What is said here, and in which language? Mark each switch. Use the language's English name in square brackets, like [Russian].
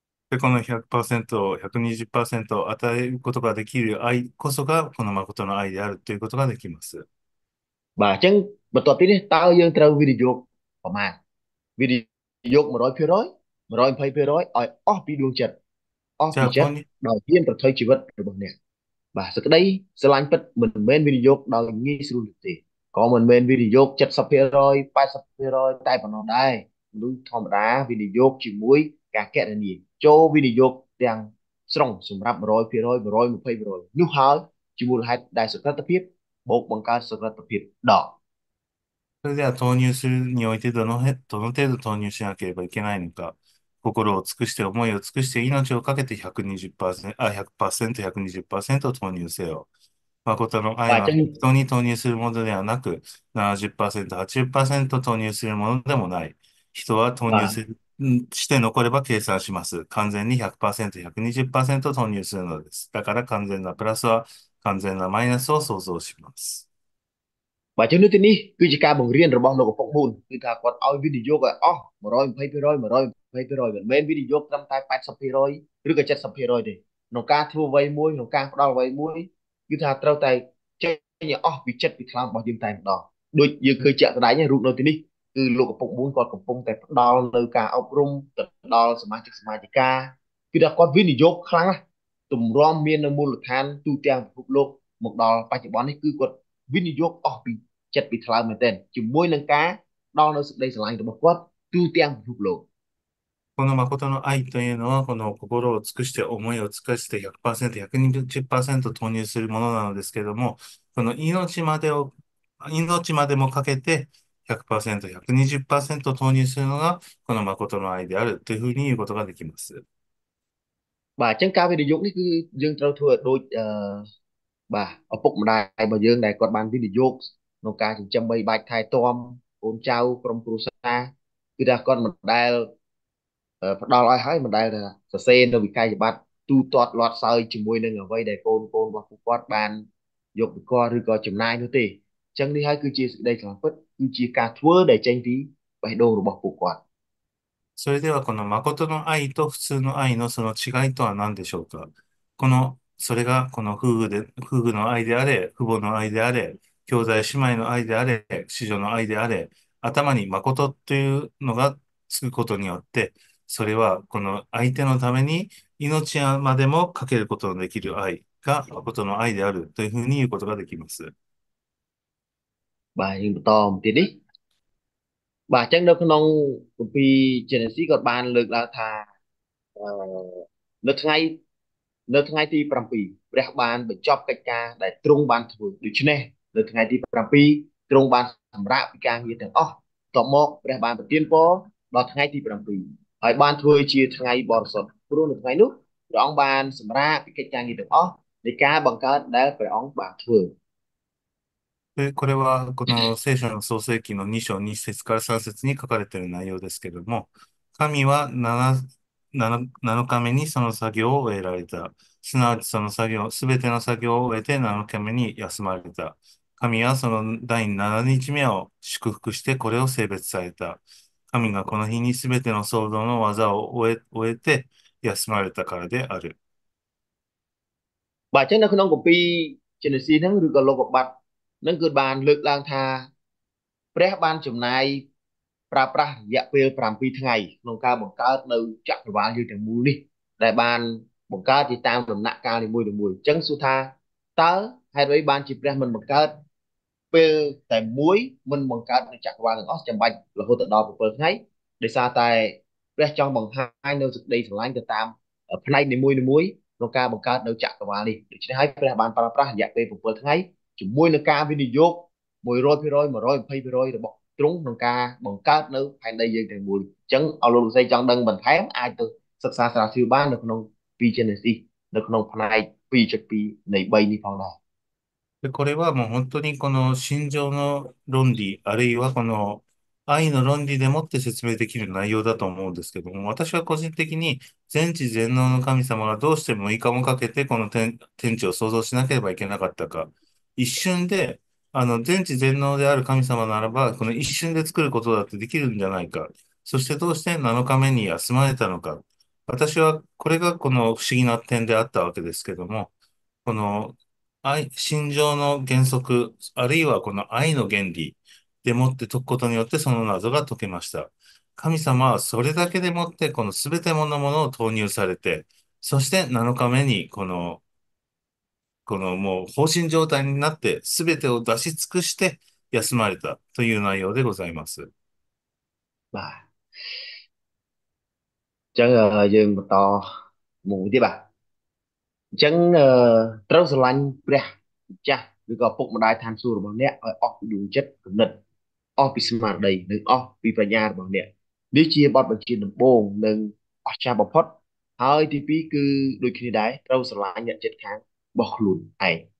[Japanese] で、この100%、120%を与えることができる愛こそが、この誠の愛であるということができます。 [Khmer] បាទចឹងបន្ទាប់ពីនេះតើយើងត្រូវវិនិយោគប្រមាណវិនិយោគ100%120%ឲ្យអស់ពីដួងចិត្តអស់ពីចិត្តដោយហ៊ានប្រថុយជីវិតរបស់អ្នក បាទសេចក្តីស្រឡាញ់ពិតមិនមែនវិនិយោគដោយងាយស្រួលនោះទេក៏មិនមែនវិនិយោគ70% 80%តែប៉ុណ្ណោះដែរមនុស្សធម្មតាវិនិយោគជាមួយការគណនាចូលវិនិយោគទាំងស្រុងសម្រាប់100% 120%នោះហើយជាមូលហេតុដែលសក្តានុពលបូកបង្កើតសក្តានុពលដក [Japanese] それでは投入するにおいてどの程度投入しなければいけないのか、心を尽くして思いを尽くして命をかけて100%、120%を投入せよ。誠の愛バはチェン適当に投入するものではなく、70%、80%投入するものでもない。人は投入まあ、して残れば計算します。完全に100%、120%投入するのです。だから完全なプラスは完全なマイナスを想像します。バチェンのにくじかもりんのぼのぼぼん、くかこっおいびにょがおう、もらんぱいぴろい、もらんぱいぴろい、めんびにょくたんたいぱいさぴろい、るかちゃさぴろいで、のかとわいもい、のかふだわいもい、くたたたい、ちゃいにおう、びちゃってきらんぼじんたいんど、どいゆくじゃたらいにゃ、るくのてに。 [Khmer] គឺលោកកំពុងបួនគាត់កំពុងតែផ្ដល់នៅការអប់រំទៅដល់សមាជិកសមាជិកាគឺថាគាត់វិនិយោគខ្លាំងណាស់ទម្រាំមាននៅមូលដ្ឋានទូទាំងពិភពលោកមកដល់បច្ចុប្បន្ននេះគឺគាត់វិនិយោគអស់ពីចិត្តពីថ្លើមមែនទែនជាមួយនឹងការដល់នៅសេចក្តីស្រឡាញ់របស់គាត់ទូទាំងពិភពលោក [Japanese] この誠の愛というのは、この心を尽くして思いを尽くして100%、120%投入するものなのですけれども、この命までもかけて100%、120%投入するのが、この誠の愛であるというふうに言うことができます。 [Khmer] បាទអញ្ចឹងការវិនិយោគនេះគឺយើងត្រូវធ្វើឲ្យដូចបាទឪពុកម្ដាយរបស់យើងដែលគាត់បានវិនិយោគក្នុងការចិញ្ចឹមបីបាច់ថែទាំកូនចៅក្រុមគ្រួសារគឺថាគាត់មិនដែលផ្ដល់ឲ្យហើយមិនដែលថាសរសេរនៅវិក័យប័ត្រទូទាត់លាត់សើចជាមួយនឹងអ្វីដែលកូនកូនរបស់ពួកគាត់បានយកពីគាត់ឬក៏ចំណាយនោះទេអញ្ចឹងនេះហើយគឺជាសេចក្តីស្លាប់ពិតគឺជាការធ្វើដែលចេញពីបេះដូងរបស់ពួកគាត់ [Japanese] それではこの誠の愛と普通の愛のその違いとは何でしょうか。それがこの夫婦の愛であれ、父母の愛であれ、兄弟姉妹の愛であれ、子女の愛であれ、頭に誠というのがつくことによって、それはこの相手のために命までもかけることのできる愛が誠の愛であるというふうに言うことができます。 [Khmer] បាទយើងបន្តមកទៀតនេះបាទអញ្ចឹងនៅក្នុងគម្ពីរ Genesis ក៏បានលើកឡើងថានៅថ្ងៃទី7ព្រះបានបញ្ចប់កិច្ចការដែលទ្រង់បានធ្វើដូច្នេះនៅថ្ងៃទី7ទ្រង់បានសម្រាកពីការងារទាំងអស់ទៅមកព្រះបានប្រទានពរដល់ថ្ងៃទី7ហើយបានធ្វើជាថ្ងៃបរិសុទ្ធព្រោះនៅថ្ងៃនោះព្រះអង្គបានសម្រាកពីកិច្ចការងារទាំងអស់នៃការបង្កើតដែលព្រះអង្គបានធ្វើ [Japanese] で、これはこの聖書の創世記の2章2節から3節に書かれている内容ですけれども、神は7日目にその作業を終えられた。すなわちその作業、すべての作業を終えて7日目に休まれた。神はその第7日目を祝福してこれを聖別された。神がこの日にすべての創造の技を終えて休まれたからである。 [Khmer] បាទចឹងនៅក្នុងគម្ពីរជេណេស៊ីសហ្នឹងឬក៏លោកុត្តមហ្នឹងគឺបានលើកឡើងថាព្រះបានចំណាយប្រើប្រាស់រយៈពេល7ថ្ងៃក្នុងការបង្កើតនៅចក្រវាលយើងទាំងមូលនេះដែលបានបង្កើតទៅតាមដំណាក់កាលនីមួយៗអញ្ចឹងសួរថាតើហេតុអ្វីបានជាព្រះមិនបង្កើត ពេលតែមួយមិនបង្កើតនៅចក្រវាលទាំងអស់ចាំបាច់រហូតទៅដល់7ថ្ងៃដោយសារតែព្រះចង់បង្ហាញនៅសេចក្តីស្រឡាញ់ទៅតាមផ្នែកនីមួយៗក្នុងការបង្កើតនៅចក្រវាលនេះដូច្នេះហើយព្រះបានប្រើប្រាស់រយៈពេល7ថ្ងៃជាមួយនឹងការវិនិយោគ100% 120%របស់ទ្រង់ក្នុងការបង្កើតនៅផែនដីយើងទាំងមូលអញ្ចឹងអស់លោកលោកស្រីចង់ដឹងបន្ថែមអាចទៅសិក្សាស្រាវជ្រាវបាននៅក្នុង2 Genesis នៅក្នុងផ្នែក2.2នៃ3នេះផងដែរ [Japanese] で、これはもう本当にこの心情の論理、あるいはこの愛の論理でもって説明できる内容だと思うんですけども、私は個人的に全知全能の神様がどうして6日もかけてこの天地を創造しなければいけなかったか。一瞬で、全知全能である神様ならば、この一瞬で作ることだってできるんじゃないか。そしてどうして7日目に休まれたのか。私はこれがこの不思議な点であったわけですけども、この心情の原則、あるいはこの愛の原理でもって解くことによってその謎が解けました。神様はそれだけでもってこの全てものものを投入されて、そして7日目にこのもう放心状態になって全てを出し尽くして休まれたという内容でございます。 [Khmer] បាទអញ្ចឹងយើងបន្តមួយទៀតបាទអញ្ចឹងត្រូវស្រឡាញ់ព្រះម្ចាស់ឬក៏ពុកម្ដាយឋានសួគ៌របស់អ្នកឲ្យអស់ពីដួងចិត្តគំនិតអស់ពីស្មារតីនិងអស់ពីបញ្ញារបស់អ្នកនេះជាបទបញ្ជាដំបូងនិងអស្ចារ្យបំផុតហើយទីពីរគឺដូចគ្នាដែរត្រូវស្រឡាញ់អ្នកចិត្តខាងរបស់ខ្លួនឯង